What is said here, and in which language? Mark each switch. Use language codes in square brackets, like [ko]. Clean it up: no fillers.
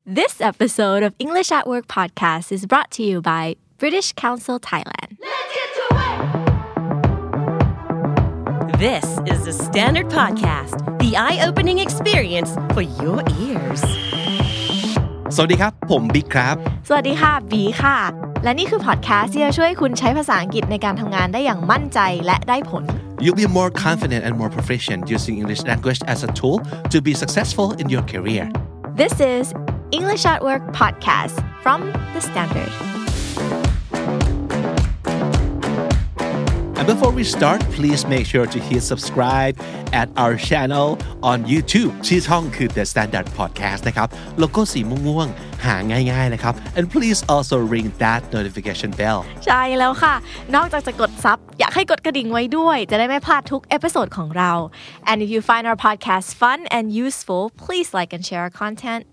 [en] This episode of English at Work podcast is brought to you by British Council Thailand. Let's get to work! This is the Standard Podcast, the eye-opening experience for your ears. [th] สวัสดีครับผมบิ๊กครับ สวัสดีค่ะบีค่ะและนี่คือพอดแคสต์ที่จะช่วยคุณใช้ภาษาอังกฤษในการทำงานได้อย่างมั่นใจและได้ผล [en] You'll be more confident and more proficient using English language as a tool to be successful in your career. This is English at Work podcast from The Standard. And before we start, please make sure to hit subscribe at our channel on YouTube. [th] ชื่อช่องคือ The Standard Podcast นะครับโลโก้สีม่วงๆหาง่ายๆนะครับ [en] And please also ring that notification bell. [th] ใช่แล้วค่ะนอกจากจะกดซับอยากให้กดกระดิ่งไว้ด้วยจะได้ไม่พลาดทุกเอพิโซดของเรา [en] And if you find our podcast fun and useful, please like and share our content.